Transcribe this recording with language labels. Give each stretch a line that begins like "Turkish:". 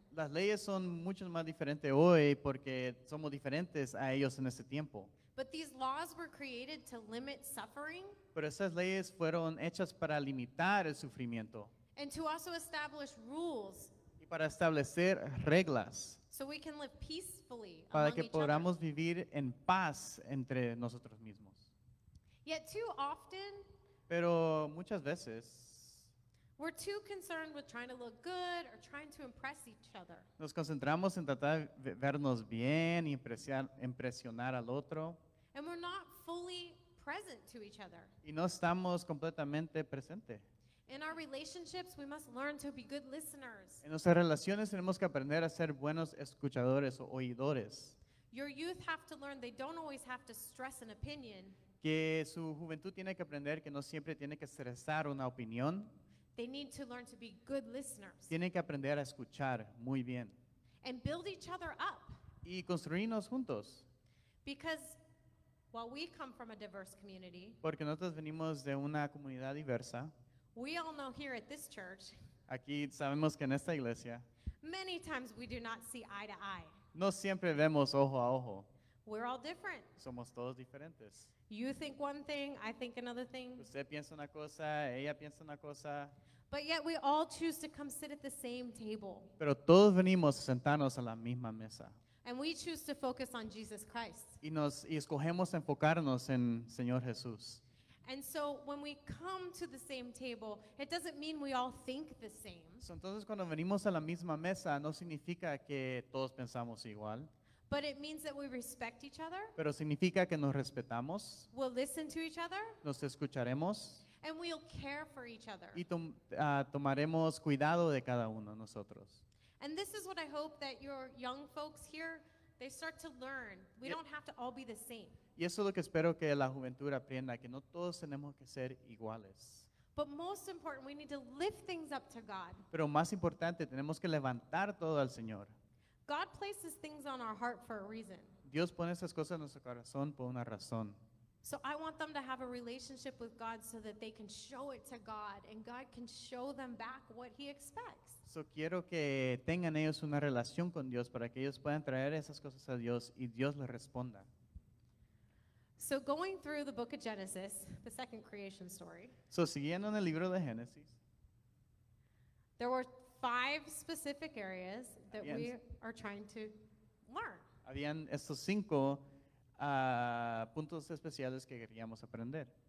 Spanish: Las leyes son mucho más diferentes hoy porque somos diferentes a ellos en ese tiempo.
English: But these laws were created to limit suffering.
Spanish: Pero esas leyes fueron hechas para limitar el sufrimiento.
English: And to also establish rules.
Spanish: Y para establecer reglas.
English: So we can live peacefully among each
Spanish: other. Para que podamos
English: other.
Spanish: Vivir en paz entre nosotros mismos.
English: Yet too often.
Spanish: Pero muchas veces.
English: We're too concerned with trying to look good or trying to impress each other.
Spanish: Nos concentramos en tratar de vernos bien y impresionar al otro.
English: And we're not fully present to each other.
Spanish: Y no estamos completamente presente.
English: In our relationships, we must learn to be good listeners.
Spanish: En nuestras relaciones tenemos que aprender a ser buenos escuchadores o oidores.
English: Your youth have to learn they don't always have to stress an opinion.
Spanish: Que su juventud tiene que aprender que no siempre tiene que estresar una opinión.
English: They need to learn to be good listeners.
Spanish: Tienen que aprender a escuchar muy bien.
English: And build each other up.
Spanish: Y construirnos juntos.
English: Because while we come from a diverse community,
Spanish: porque nosotros venimos de una comunidad diversa,
English: we all know here at this church,
Spanish: aquí sabemos que en esta iglesia,
English: many times we do not see eye to eye.
Spanish: No siempre vemos ojo a ojo.
English: We're all different.
Spanish: Somos todos diferentes.
English: You think one thing, I think another thing.
Spanish: Usted piensa una cosa, ella piensa una cosa.
English: But yet we all choose to come sit at the same table.
Spanish: Pero todos venimos a sentarnos a la misma mesa.
English: And we choose to focus on Jesus Christ.
Spanish: Y escogemos enfocarnos en Señor Jesús.
English: And so when we come to the same table, it doesn't mean we all think the same.
Spanish: So entonces cuando venimos a la misma mesa, no significa que todos pensamos igual.
English: But it means that we respect each other.
Spanish: Pero significa que nos respetamos.
English: We'll listen to each other.
Spanish: Nos escucharemos.
English: And we'll care for each other.
Spanish: Y tomaremos cuidado de cada uno de nosotros.
English: And this is what I hope that your young folks here, they start to learn. We don't have to all be the same.
Spanish: Y eso es lo que espero que la juventud aprenda, que no todos tenemos que ser iguales.
English: But most important, we need to lift things up to God.
Spanish: Pero más importante, tenemos que levantar todo al Señor.
English: God places things on our heart for a reason.
Spanish: Dios pone esas cosas en nuestro corazón por una razón.
English: So I want them to have a relationship with God so that they can show it to God and God can show them back what he expects.
Spanish: So quiero que tengan ellos una relación con Dios para que ellos puedan traer esas cosas a Dios y Dios les responda.
English: So going through the book of Genesis, the second creation story.
Spanish: So siguiendo en el libro de Génesis.
English: There were five specific areas that we are trying to learn.
Spanish: Habían estos cinco puntos especiales que queríamos aprender.